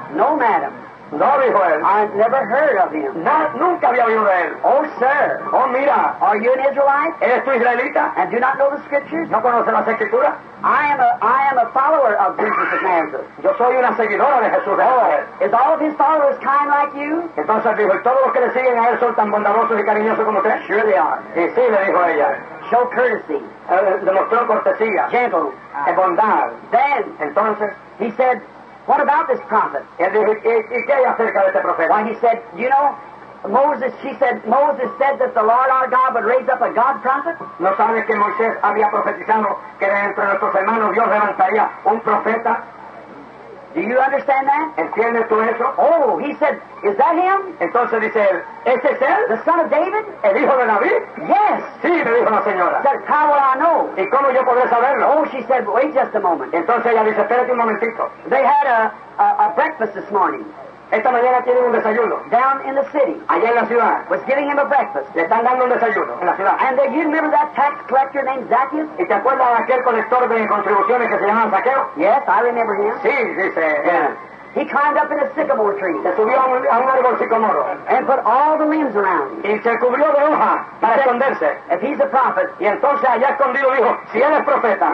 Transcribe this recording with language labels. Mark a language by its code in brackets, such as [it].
[en] No, madam. [es] No, dijo él. [en] I've never heard of him. [es] Nunca había oído de él. [en] Oh, sir. [es] Oh, mira. [en] Are you an Israelite? [es] ¿Eres tú israelita? [en] And do not know the scriptures? [es] ¿No conoces las escrituras? [en] I am a follower of Jesus of Nazareth. [es] Yo soy una seguidora de Jesús de Nazaret. [en] Is all of his followers kind like you? [es] Entonces dijo, ¿todos los que le siguen a él son tan bondadosos y cariñosos como usted? [en] Sure they are. [es] Y sí, le dijo ella. [en] Show courtesy. [es] Demostró cortesía. [en] Gentle. [es] Es bondad. [en] Then. [es] Entonces. [en] He said, what about this prophet? [es] ¿Y qué hay acerca de este profeta? [en] Why, he said, you know, Moses, she said, Moses said that the Lord our God would raise up a God prophet? [es] ¿No sabes que Moisés había profetizado que entre nuestros hermanos Dios levantaría un profeta? [en] Do you understand that? [es] ¿Entiendes tú eso? [en] Oh, he said, is that him? [es] Entonces dice él, ¿ese es él? [en] The son of David? [es] ¿El hijo de David? [en] Yes. [es] Sí, me dijo la señora. [en] Said, how will I know? [es] ¿Y cómo yo podré saberlo? [en] Oh, she said, wait just a moment. [es] Entonces ella dice, espérate un momentito. [en] They had a breakfast this morning. [es] Esta mañana tienen un desayuno. [en] Down in the city. [es] Allá en la ciudad. [en] Was giving him a breakfast. [es] Le están dando un desayuno en la ciudad. [en] And you remember that tax collector named Zacchaeus? [es] ¿Y te acuerdas de aquel colector de contribuciones que se llamaba Zaqueo? [en] Yes, I remember him. [es] Sí, dice. Sí, yeah. [en] He climbed up in a sycamore tree. [es] Se subió a un árbol sicomoro. [en] And put all the limbs around him. [es] Y se cubrió de hojas para esconderse. [en] If he's a prophet. [es] Y entonces allá escondido dijo, si él es profeta.